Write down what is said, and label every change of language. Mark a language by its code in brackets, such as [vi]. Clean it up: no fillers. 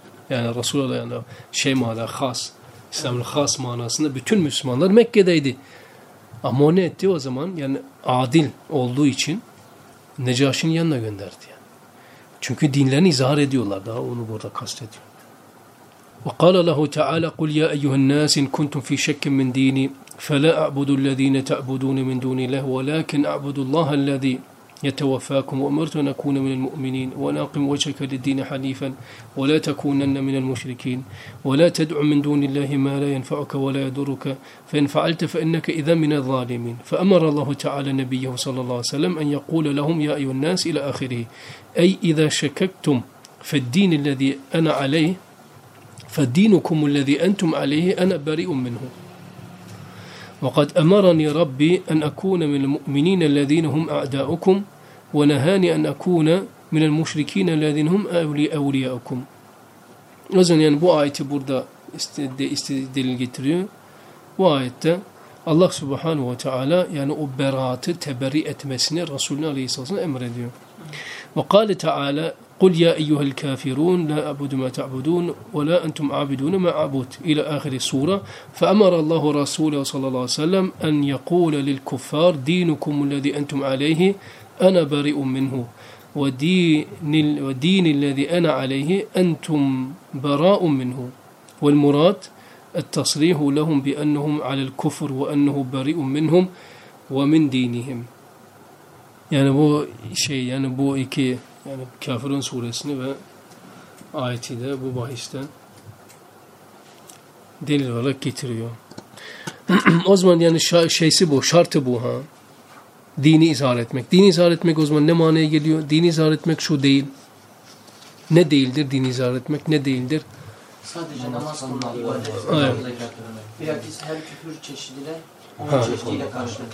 [tr] Yani Resulullah yani şey manada has, İslam'ın has manasında bütün Müslümanlar Mekke'deydi. Ama o ne etti o zaman? Yani adil olduğu için Necaşi'nin yanına gönderdi. Yani. Çünkü dinlerini izhar ediyorlar. Daha onu burada kastediyor. [ar] وَقَالَ لَهُ تَعَالَى قُلْ يَا اَيُّهَا النَّاسِ اِنْ كُنْتُمْ فِي شَكٍ مِّنْ دِينِي فَلَا أَعْبُدُ الَّذ۪ينَ تَعْبُدُونِ مِنْ دُونِ لَهُ وَلَاكِنْ أَعْبُدُ اللّٰهَ الَّذ۪ي يتوفاكم وأمرت أن أكون من المؤمنين وأن أقم وجهك للدين حنيفا ولا تكونن من المشركين ولا تدع من دون الله ما لا ينفعك ولا يضرك فإن فعلت فإنك إذا من الظالمين فأمر الله تعالى نبيه صلى الله عليه وسلم أن يقول لهم يا أيها الناس إلى آخره أي إذا شككتم في الدين الذي أنا عليه فدينكم الذي أنتم عليه أنا بريء منه وقد أمرني ربي أن أكون من المؤمنين الذين هم أعداؤكم ونهاني أن أكون من المشركين الذين هم أولياؤكم. [tr] O zaman yani bu ayeti burada delil getiriyor. Bu ayette Allah Subhanahu ve Teala yani o beraatı teberri etmesini Resulüne Aleyhisselam emrediyor. [ar] وقال تعالى قل يا أيها الكافرون لا أعبد ما تعبدون ولا أنتم عابدون ما أعبد إلى آخر السورة فأمر الله رسوله صلى الله عليه وسلم أن يقول للكفار دينكم الذي أنتم عليه أنا بريء منه ودين الذي أنا عليه أنتم براء منه والمراد التصريح لهم بأنهم على الكفر وأنه بريء منهم ومن دينهم يعني بو شيء يعني بو إكي [tr] yani Kafirun suresini ve ayeti de bu bahisten delil olarak getiriyor. O zaman yani şeysi bu, şartı bu ha. Dini izhar etmek. Dini izhar etmek o zaman ne manaya geliyor? Dini izhar etmek şu değil. Ne değildir dini izhar etmek? Ne değildir? Sadece namaz kılmak, ibadet. Bilakis her küfür çeşidine çeşidiyle karşılık.